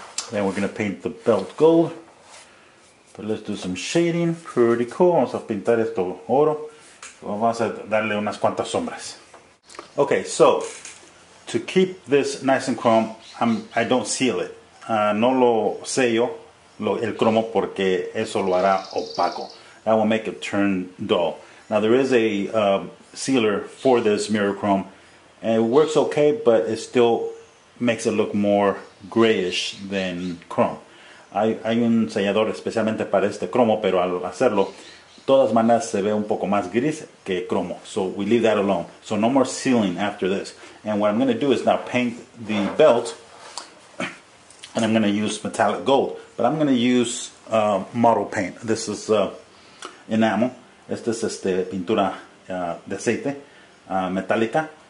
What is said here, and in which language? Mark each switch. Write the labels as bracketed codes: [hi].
[en] Then we're gonna paint the belt gold. But let's do some shading, pretty cool. [es] Vamos a pintar esto oro. Vamos a darle unas cuantas sombras. [en] Okay, so to keep this nice and chrome, I don't seal it. [es] No lo sello el cromo porque eso lo hará opaco. [en] That will make it turn dull. Now there is a sealer for this mirror chrome, and it works okay, but it still makes it look more grayish than chrome. [es] Hay un sellador especialmente para este cromo, pero al hacerlo, todas maneras se ve un poco más gris que cromo. [en] So we leave that alone. So no more sealing after this. And what I'm going to do is now paint the belt, and I'm going to use metallic gold. But I'm going to use model paint. This is enamel. [es] Esta es pintura de aceite, metálica.